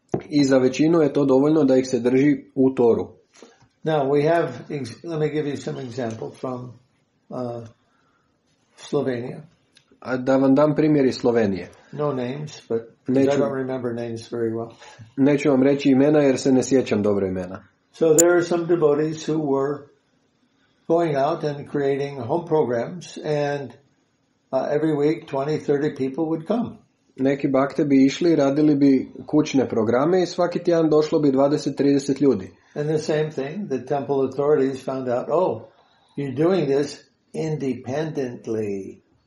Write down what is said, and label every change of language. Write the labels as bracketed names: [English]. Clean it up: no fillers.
[Croatian] I za većinu je to dovoljno da ih se drži u toru. [English] Now we have, let me give you some example from Slovenia. [Croatian] Da vam dam primjer iz Slovenije. [English] No names, but [Croatian] neću, [English] I don't remember names very well. [Croatian] Neću vam reći imena jer se ne sjećam dobro imena. [English] So there are some devotees who were going out and creating home programs, and every week 20-30 people would come. [Croatian] Neki bakte bi išli, radili bi kućne programe i svaki tjedan došlo bi 20-30 ljudi. [English] And the same thing, the temple authorities found out, oh, you're doing this independently.